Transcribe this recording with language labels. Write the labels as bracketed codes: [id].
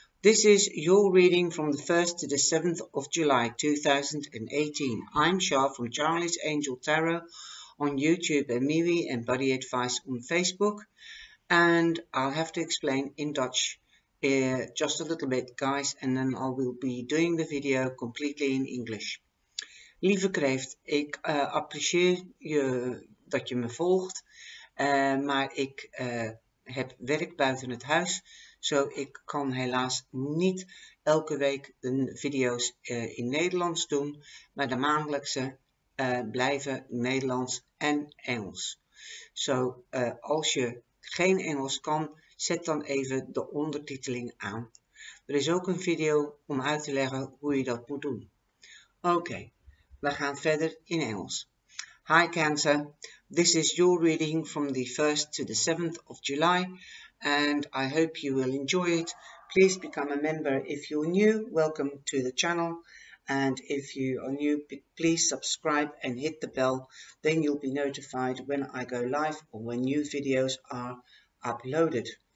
[en] This is your reading from the 1st to the 7th of July 2018. I'm Char from Charlie's Angel Tarot on YouTube and MeWe and Buddayadvies on Facebook. And I'll have to explain in Dutch just a little bit, guys, and then I will be doing the video completely in English. [nl] Lieve Kreeft, ik apprecieer je dat je me volgt, maar ik heb werk buiten het huis, zo ik kan helaas niet elke week de video's in Nederlands doen, maar de maandelijkse blijven Nederlands en Engels. Zo, als je geen Engels kan, zet dan even de ondertiteling aan. Er is ook een video om uit te leggen hoe je dat moet doen. Oké, we gaan verder in Engels. [en] Hi Cancer, this is your reading from the 1st to the 7th of July and I hope you will enjoy it. Please become a member if you're new, welcome to the channel, and if you are new, please subscribe and hit the bell, then you'll be notified when I go live or when new videos are uploaded.